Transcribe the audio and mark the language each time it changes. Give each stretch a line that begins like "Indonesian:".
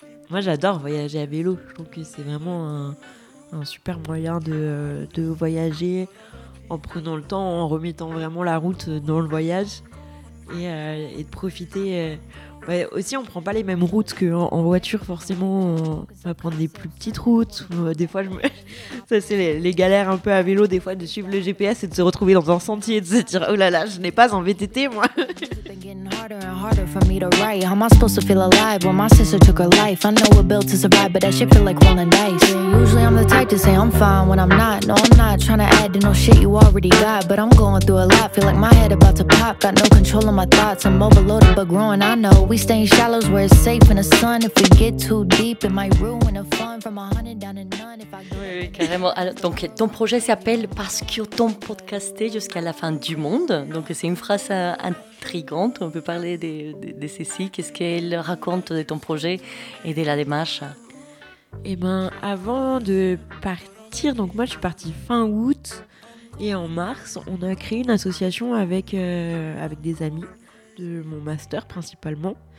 French: Moi, j'adore voyager à vélo. Je trouve que c'est vraiment un super moyen de voyager en prenant le temps, en remettant vraiment la route dans le voyage et de profiter. Ouais, aussi, on ne prend pas les mêmes routes qu'en voiture, forcément. On va prendre des plus petites routes. Des fois, ça, c'est les galères un peu à vélo, des fois, de suivre le GPS et de se retrouver dans un sentier, de se dire « Oh là là, je n'ai pas en VTT, moi !»
English: Harder and harder for me to write. How am I supposed to feel alive when my sister took her life? I know we're built to survive, but that shit feel like rolling dice. Usually I'm the type to say I'm fine when I'm not. No, I'm not trying to add to no shit you already got. But I'm going through a lot, feel like my head about to pop. Got no control of my thoughts, I'm overloaded but growing. I know we stay in shallows where it's safe in the sun. If we get too deep, it might ruin the fun. From a hundred down to none. If I go...
French: Oui, carrément. Alors, donc, ton projet s'appelle Parce que ton podcasté jusqu'à la fin du monde. Donc, c'est une phrase intrigante. On peut parler de ceci. Qu'est-ce qu'elle raconte de ton projet et de la démarche? Eh bien, avant de partir, donc moi, je suis partie fin août et en mars, on a créé une association avec des amis de mon master, principalement.